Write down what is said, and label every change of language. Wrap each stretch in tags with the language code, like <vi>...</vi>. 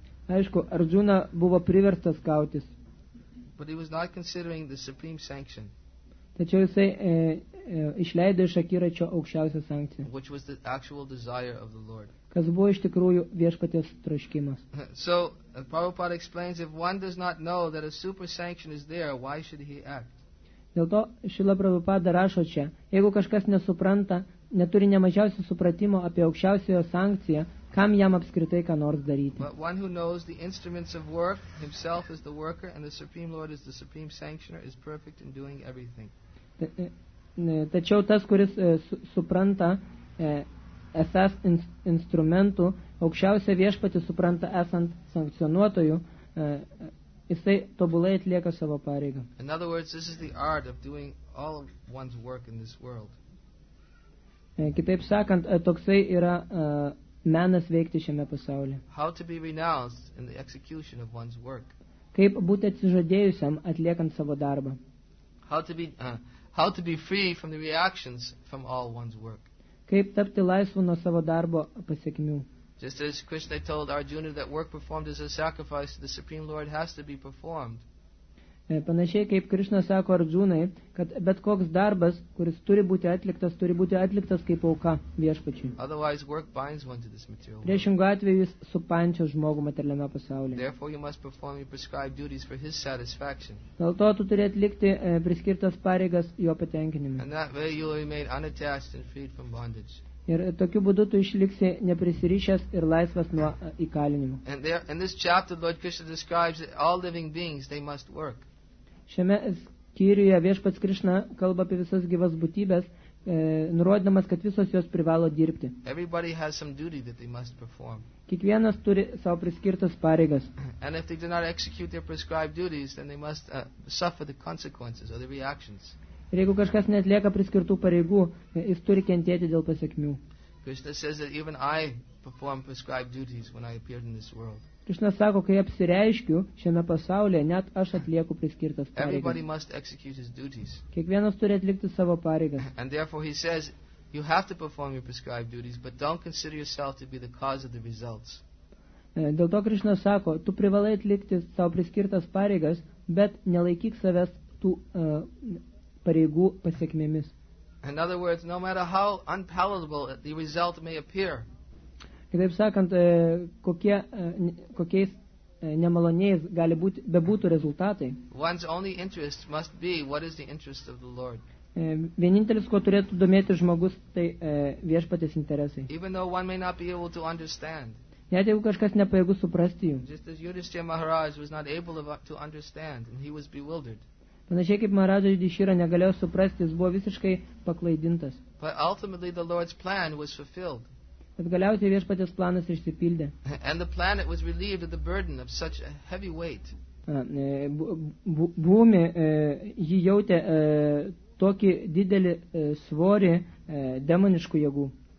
<lt>Aišku, Arjuna buvo priverstas kautis.</lt> <en>But he was not considering the supreme sanction.</en> <lt>Tačiau jisai išleido iš akiračio aukščiausią sankciją.</lt> <en>Which was the actual desire of the Lord.</en> <lt>Kas buvo iš tikrųjų Viešpatės troškimas.</lt> <en>So, Prabhupada explains, if one does not know that a super sanction is there, why should he act?</en> <lt>Dėl to Šila Prabhupada rašo čia, jeigu kažkas nesupranta, neturi nemažiausio supratimo apie aukščiausiojo sankciją, kam jam apskritai ką nors daryti.</lt> <en>But one who knows the instruments of work, himself is the worker, and the Supreme Lord is the supreme sanctioner, is perfect in doing everything.</en> <lt>Tačiau tas, kuris supranta esas instrumentų, aukščiausia Viešpatį supranta esant sankcionuotojų, jisai tobulai atlieka savo pareigą.</lt> <en>In other words, this is the art of doing all of one's work in this world.</en> <lt>Kitaip sakant, toksai yra menas veikti šiame pasaulyje.</lt> <en>How to be renounced in the execution of one's work.</en> <lt>Kaip būti atsižadėjusiam atliekant savo darbą.</lt> <en>How to be free from the reactions from all one's work.</en> <lt>Kaip tapti laisvu nuo savo darbo pasekmių.</lt> <en>Just as Krishna told Arjuna that work performed as a sacrifice to the Supreme Lord has to be performed.</en> <lt>Panašiai kaip Krishna sako Arjunai, kad bet koks darbas, kuris turi būti atliktas kaip auka Viešpačiui.</lt> <en>Otherwise work binds one to this material world.</en> <lt>Priešingu atveju jis supančio žmogų materialiame pasaulyje.</lt> <en>Therefore you must perform your prescribed duties for his satisfaction.</en> <lt>Dėl to tu turi atlikti priskirtas pareigas jo patenkinimui.</lt> <en>And that way you will remain unattached and freed from bondage.</en> <lt>Ir tokiu būdu tu išliksi neprisirišęs ir laisvas nuo įkalinimų.</lt> <en>In this chapter Lord Krishna describes that all living beings they must work.</en> <lt>Šiame skyriuje Viešpats Krishna kalba apie visas gyvas būtybės, nurodydamas, kad visos jos privalo dirbti.</lt> <en>Everybody has some duty that they must perform.</en> <lt>Kiekvienas turi savo priskirtas pareigas.</lt> <en>And if they do not execute their prescribed duties, then they must suffer the consequences or the reactions.</en> <lt>Ir jeigu kažkas neatlieka priskirtų pareigų, jis turi kentėti dėl pasekmių.</lt> <en>Krishna says that even I perform prescribed duties when I appeared in this world.</en> <lt>Krishna sako, kai apsireiškiu šiame pasaulyje, net aš atlieku priskirtas pareigas. Kiekvienas turi atlikti savo pareigas.</lt> <en>And therefore he says, you have to perform your prescribed duties, but don't consider yourself to be the cause of the results.</en> <lt>Dėl to Krishna sako, tu privalai atlikti savo priskirtas pareigas, bet nelaikyk savęs tų pareigų pasekmėmis.</lt> <en>In other words, no matter how unpalatable the result may appear,</en> <lt>kitaip sakant, kokiais nemaloniais gali būti, bebūtų rezultatai.</lt> <en>One's only interest must be what is the interest of the Lord.</en> <lt>Vienintelis, ko turėtų domėti žmogus, tai viešpatės interesai.</lt> <en>Even though one may not be able to understand.</en> <lt>Net jeigu kažkas nepajėgus suprasti jų.</lt> <en>Just as Yudhishthira Maharaj was not able to understand and he was bewildered.</en> <lt>Panašiai kaip Maharaja Yudhishthira negalėjo suprasti, jis buvo visiškai paklaidintas.</lt> <en>But ultimately the Lord's plan was fulfilled.</en> <lt>Bet galiausiai viešpatės planas išsipildė.</lt> <en>And the planet was relieved of the burden of such a heavy weight.</en> <lt>Būmi jį jautė tokį didelį svorį demoniškų jėgų.</lt>